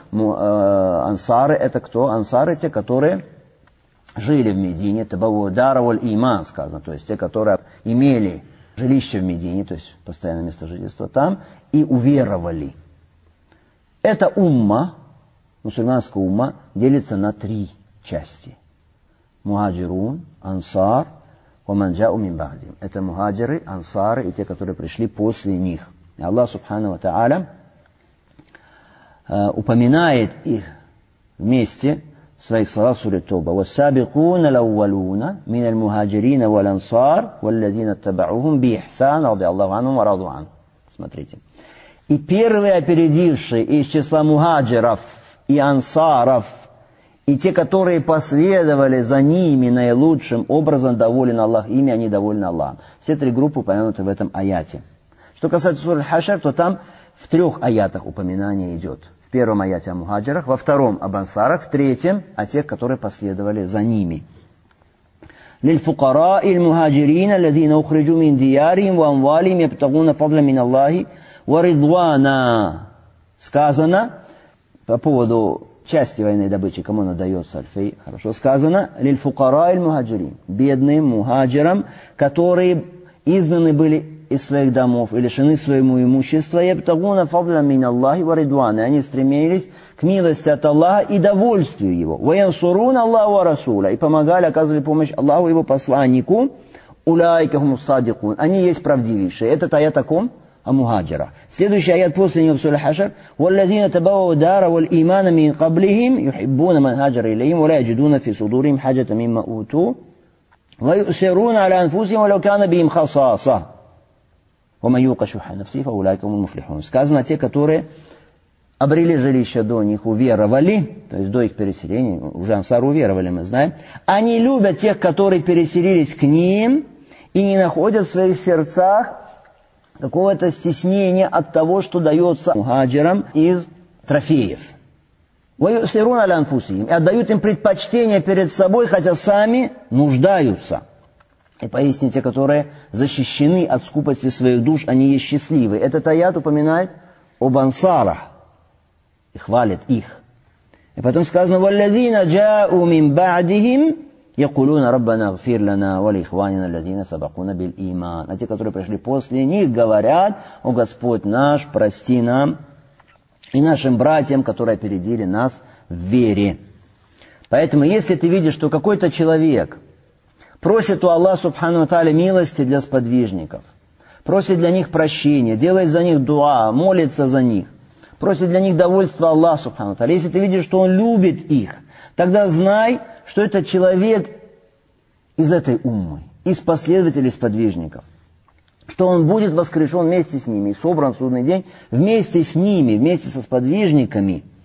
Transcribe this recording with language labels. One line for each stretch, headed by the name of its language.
Russian: Ансары – это кто? Ансары – те, которые жили в Медине, дарваль иман сказано, то есть те, которые имели жилище в Медине, то есть постоянное место жительства там, и уверовали. Эта умма, мусульманская умма, делится на три части.
Arabic: Мухаджирун, ансар, ومن جاء من بعدهم.
Russian: Это мухаджиры, ансары и те, которые пришли после них. И Аллах Субхана ва Тааля упоминает их вместе в своих словах суре Тоба.
Arabic: والسابقون الأولون من المهاجرين والأنصار والذين اتبعوهم بإحسان رضي الله عنهم ورضوا عنه.
Russian: Смотрите. И первые опередившие из числа мухаджиров и ансаров и те, которые последовали за ними наилучшим образом, доволен Аллах ими, они довольны Аллахом. Все три группы упомянуты в этом аяте. Что касается суры Хашар, то там в трех аятах упоминание идет. В первом аяте о мухаджирах, во втором об ансарах, в третьем о тех, которые последовали за ними. «Лильфукара иль мухаджирина, лазина ухриджу мин диярим, ва амвалим, ябтагуна фадля мин Аллахи, ва ридвана». Сказано по поводу части военной добычи, кому она дается, альфей, хорошо сказано, лильфукара иль мухаджирин, бедным мухаджирам, которые изгнаны были из своих домов и лишены своему имущества, ябтагуна фадля мин Аллахи ва ридвана, они стремились к милости от Аллаха и довольствию Его, ва янсуруна Аллаху ва расуля, и помогали, оказывали помощь Аллаху и Его посланнику, уляйка хуму садикун, они есть правдивейшие. Этот аят о ком? О мухаджирах. Следующий аят после него в суре Хашр:
Arabic: والذين تبوأوا الدار والإيمان من قبلهم يحبون من هاجر إليهم ولا يجدون في صدورهم حاجة مما أوتوا ويؤثرون على أنفسهم ولو كان بهم خصاصة ومن يوق شح نفسه فأولئك هم المفلحون.
Russian: Сказано, те, которые обрели жилище до них, уверовали, то есть до их переселения, уже ансары уверовали, мы знаем, они любят тех, которые переселились к ним и не находят в своих сердцах какого-то стеснения от того, что дается мухаджирам из трофеев.
Arabic: وَيُؤْثِرُونَ عَلَىٰ أَنفُسِهِمْ
Russian: и отдают им предпочтение перед собой, хотя сами нуждаются. И поистине те, которые защищены от скупости своих душ, они есть счастливы. Этот аят упоминает об ансарах и хвалит их. И потом сказано
Arabic: وَالَّذِينَ جَاءُوا مِنْ بَعْدِهِمْ يَقُولُونَ رَبَّنَا غْفِرْ لَنَا وَلِإِخْوَانِنَا الَّذِينَ سَبَقُونَ بِالْإِمَانِ.
Russian: А те, которые пришли после них, говорят: «О Господь наш, прости нам и нашим братьям, которые опередили нас в вере». Поэтому, если ты видишь, что какой-то человек просит у Аллаха Субхану ва Тааля милости для сподвижников, просит для них прощения, делает за них дуа, молится за них, просит для них довольства Аллаха Субхану ва Тааля, если ты видишь, что он любит их, тогда знай, что этот человек из этой уммы, из последователей, из сподвижников, что он будет воскрешен вместе с ними, собран в судный день вместе с ними, вместе со сподвижниками.